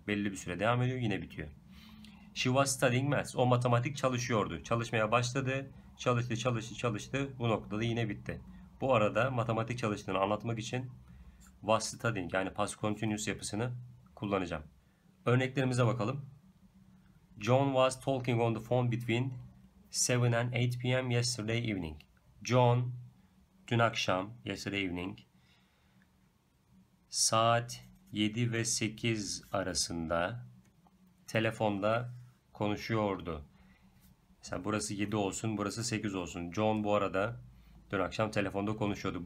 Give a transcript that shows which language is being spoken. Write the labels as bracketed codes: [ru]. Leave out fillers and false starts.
[tr] Belli bir süre devam ediyor, yine bitiyor. [en] She was studying maths. [tr] O matematik çalışıyordu. Çalışmaya başladı. Çalıştı, çalıştı, çalıştı. Bu noktada yine bitti. Bu arada matematik çalıştığını anlatmak için was studying, yani past continuous yapısını kullanacağım. Örneklerimize bakalım. [en] John was talking on the phone between 7 and 8 p.m. yesterday evening. [tr] John, dün akşam, [en] yesterday evening, [tr] saat 7 ve 8 arasında telefonda konuşuyordu. Mesela burası 7 olsun, burası 8 olsun. John bu arada dün akşam telefonda konuşuyordu.